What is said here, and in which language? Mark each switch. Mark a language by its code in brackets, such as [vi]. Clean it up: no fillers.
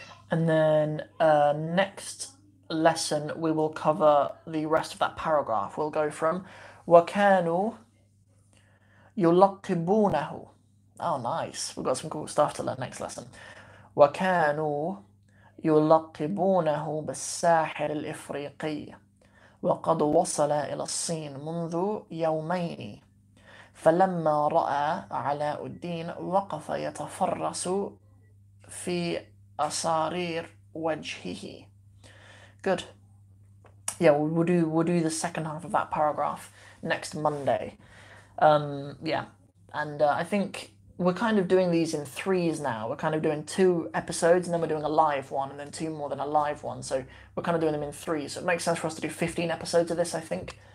[en] And then next lesson, we will cover the rest of that paragraph. We'll go from [ar] وَكَانُوا يُلَقِّبُونَهُ. [en] Oh, nice. We've got some cool stuff to learn next lesson. [ar] وَكَانُوا يُلَقِّبُونَهُ بِالسَّاحِرِ الْإِفْرِيقِيِّ وَقَدْ وَصَلَ إِلَى الصِّينِ مُنْذُ يَوْمَيْنِ فَلَمَّا رَأَى عَلَاءُ الدِّينِ وَقَفَ يَتَفَرَّسُ فِي Asarir wajhihi. [en] Good. Yeah, we'll do the second half of that paragraph next Monday. I think we're kind of doing these in threes now. We're kind of doing two episodes, and then we're doing a live one, and then two more, then a live one. So we're kind of doing them in threes. So it makes sense for us to do 15 episodes of this, I think.